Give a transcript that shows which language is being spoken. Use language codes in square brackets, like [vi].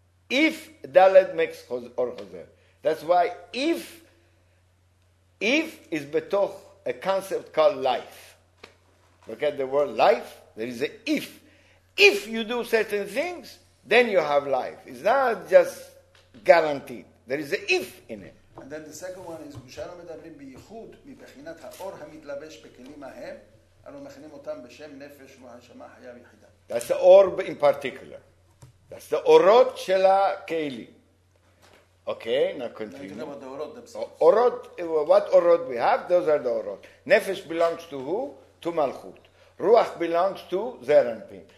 [en] If Dalet makes Or Chozer. That's why if is betoch a concept called life. Look at the word life. There is an if. If you do certain things, then you have life. It's not just guaranteed. There is an if in it. And then the second one is, [he] כשאנו מדברים בייחוד מבחינת האור המתלבש בכלים ההם, אנו מכנים אותם בשם נפש והנשמה חיה ויחידה. [en] That's the orb in particular. That's the Orot Shela Keili. Okay, now continue. Now about the Orot themselves. Orot, what Orot we have, those are the Orot. Nefesh belongs to who? To Malchut. Ruach belongs to Zerampin.